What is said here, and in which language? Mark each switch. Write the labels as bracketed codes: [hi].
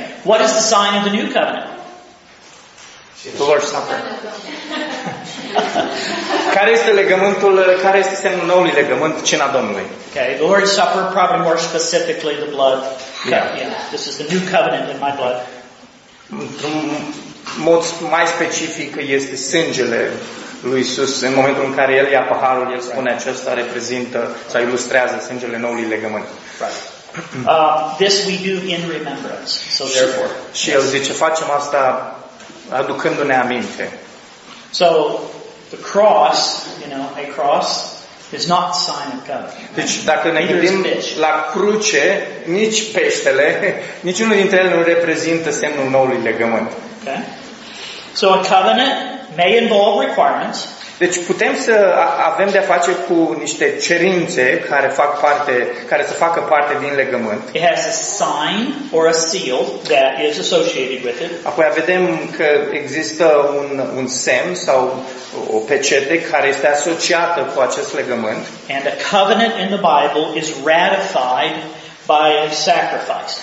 [en] What is the sign of the new covenant? The Lord's Supper. [ro] Care este legământul, care este semnul noului legământ, cina Domnului. [en] Okay, the Lord's Supper, probably more specifically the blood. Yeah. This is the new covenant in my blood. [ro] Într-un mod mai specific este sângele lui Iisus. În momentul în care el ia paharul, el spune acesta reprezintă sau ilustrează sângele noului legământ. [en] This we do in remembrance. So therefore. [ro] Și el zice, facem asta aducându-ne aminte. [en] So the cross, you know, a cross is not a sign of covenant. [ro] Deci dacă ne gândim la cruce, nici peștele, niciunul dintre ele nu reprezintă semnul noului legământ. [en] Okay. So a covenant may involve requirements. [ro] Deci putem să avem de-a face cu niște cerințe care fac parte, care să facă parte din legământ. [en] It has a sign or a seal that is associated with it. [ro] Apoi vedem că există un semn sau o pecete care este asociată cu acest legământ. [en] And a covenant in the Bible is ratified by a sacrifice.